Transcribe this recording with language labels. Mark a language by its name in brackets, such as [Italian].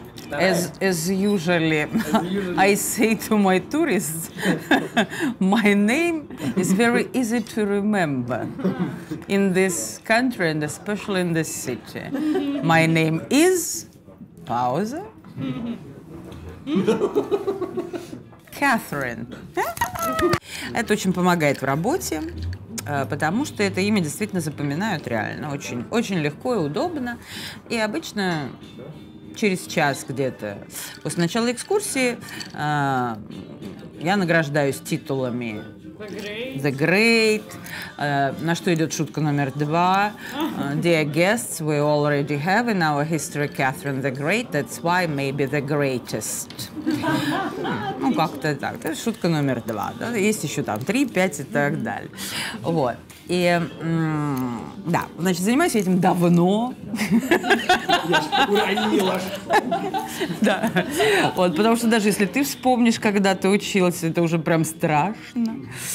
[English] As usually I say to my tourists, my name is very easy to remember in this country and especially in this city. My name is Pausa Catherine. [Russian] Это очень помогает в работе, потому что это имя действительно запоминают реально. Очень, очень легко и удобно. И обычно через час где-то после начала экскурсии я награждаюсь титулами The Great, на что идет шутка номер два. [English] Dear guests, we already have in our history Catherine the Great, that's why maybe the greatest. [Russian] Ну, как-то так. Это шутка номер два. Да? Есть еще там три, пять и так далее. Вот. И, да, значит, занимаюсь этим давно. Я же уронила. Да, вот, потому что даже если ты вспомнишь, когда ты учился, это уже прям страшно.